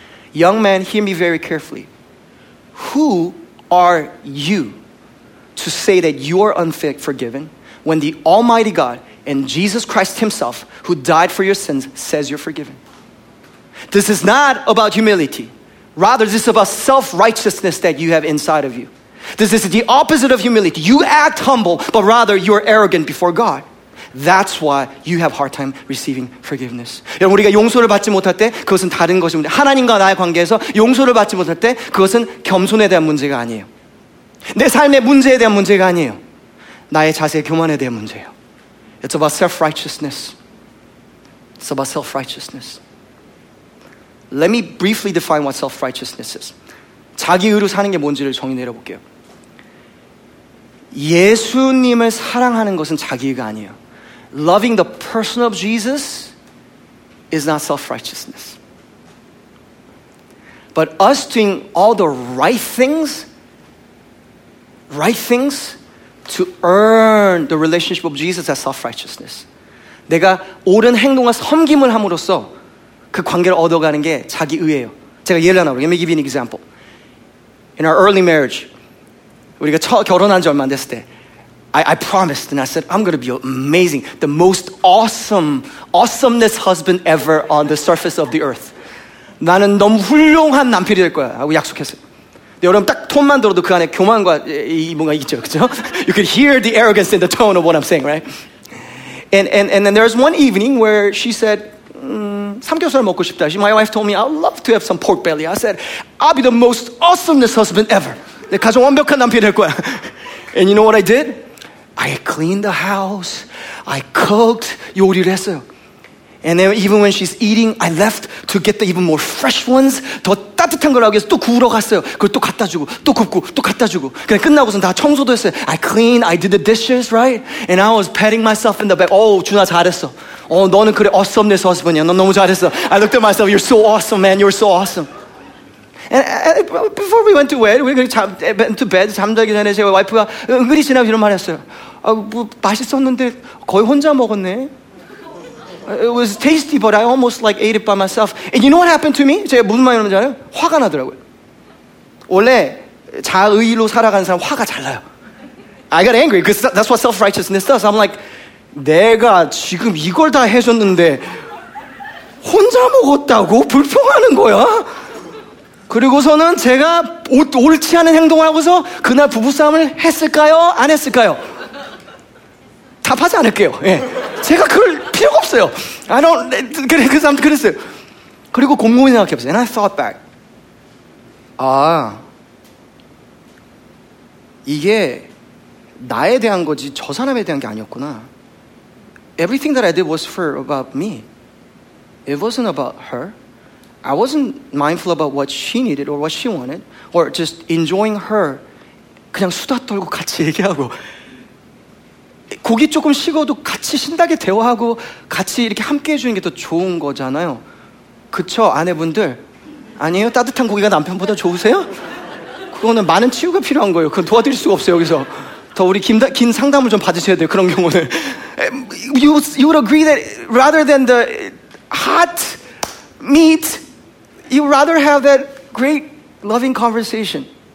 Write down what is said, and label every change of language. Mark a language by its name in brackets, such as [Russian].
[English] "Young man, hear me very carefully. Who are you to say that you're unfit forgiven when the Almighty God and Jesus Christ himself, who died for your sins, says you're forgiven? This is not about humility. Rather, this is about self-righteousness that you have inside of you. This is the opposite of humility. You act humble, but rather you're arrogant before God. That's why you have a hard time receiving forgiveness." [Korean] 여러분, 우리가 용서를 받지 못할 때 그것은 다른 것입니다. 하나님과 나의 관계에서 용서를 받지 못할 때 그것은 겸손에 대한 문제가 아니에요. 내 삶의 문제에 대한 문제가 아니에요. 나의 자세 교만에 대한 문제예요. [English] It's about self-righteousness. It's about self-righteousness. Let me briefly define what self-righteousness is. [Korean] 자기 의로 사는 게 뭔지를 정의 내려볼게요. 예수님을 사랑하는 것은 자기 의가 아니에요. [English] Loving the person of Jesus is not self-righteousness. But us doing all the right things right things to earn the relationship of Jesus as self-righteousness. [Korean] 내가 옳은 행동과 섬김을 함으로써 그 관계를 얻어가는 게 자기 의예요. 제가 예를 하나 볼게요. [English] Let me give you an example. In our early marriage, [Korean] 우리가 결혼한 지 얼마 안 됐을 때, [English] I promised and I said, I'm going to be amazing, the most awesomeness husband ever on the surface of the earth. [Korean] 나는 너무 훌륭한 남편이 될 거야 하고 약속했어요. 여러분 딱 톤만 들어도 그 안에 교만과 뭔가 있죠, 그렇죠? [English] You could hear the arrogance in the tone of what I'm saying, right? And then there's one evening where she said, [Korean] 삼겹살 먹고 싶다. [English] My wife told me, I'd love to have some pork belly. I said, I'll be the most awesomeness husband ever. [Korean] 내가 가장 완벽한 남편이 될 거야. [English] And you know what I did? I cleaned the house. I cooked. [Korean] 요리를 했어요. [English] And then even when she's eating, I left to get the even more fresh ones. [Korean] 더 따뜻한 걸 하기 위해서 또 구우러 갔어요. 그걸 또 갖다 주고, 또 굽고, 또 갖다 주고. 그냥 끝나고선 다 청소도 했어요. [English] I cleaned, I did the dishes, right? And I was patting myself in the back. [Korean] Oh, 준아 잘했어. Oh, 너는 그래, awesomeness husband이야. 너 너무 잘했어. [English] I looked at myself, you're so awesome, man. You're so awesome. And before we went to bed, we went to bed, [Korean] 잠자기 전에 제 와이프가 은근히 지나고 이런 말 했어요. 아, 뭐, 맛있었는데 거의 혼자 먹었네. [English] It was tasty, but I almost like ate it by myself. And you know what happened to me? [Korean] 제가 무슨 말인지 알아요? 화가 나더라고요. 원래 자의로 살아가는 사람 화가 잘 나요. [English] I got angry because that's what self-righteousness does. I'm like, [Korean] 내가 지금 이걸 다 해줬는데 혼자 먹었다고 불평하는 거야? 그리고서는 제가 옳지 않은 행동을 하고서 그날 부부싸움을 했을까요? 안 했을까요? 답하지 않을게요. 예. 제가 그걸 필요가 없어요. [English] I don't, [Korean] 그래서 아무튼 그랬어요. 그리고 곰곰이 생각해보세요. [English] And I thought back. [Korean] 아, 이게 나에 대한 거지 저 사람에 대한 게 아니었구나. [English] Everything that I did was for about me. It wasn't about her. I wasn't mindful about what she needed or what she wanted or just enjoying her. [Korean] 그냥 수다 떨고 같이 얘기하고 고기 조금 식어도 같이 신나게 대화하고 같이 이렇게 함께 해주는 게 더 좋은 거잖아요. 그쵸, 아내분들? 아니에요? 따뜻한 고기가 남편보다 좋으세요? 그거는 많은 치유가 필요한 거예요. 그건 도와드릴 수가 없어요, 여기서. 더 우리 긴 상담을 좀 받으셔야 돼요, 그런 경우는. [English] You would agree that rather than the hot meat, you'd rather have that great loving conversation.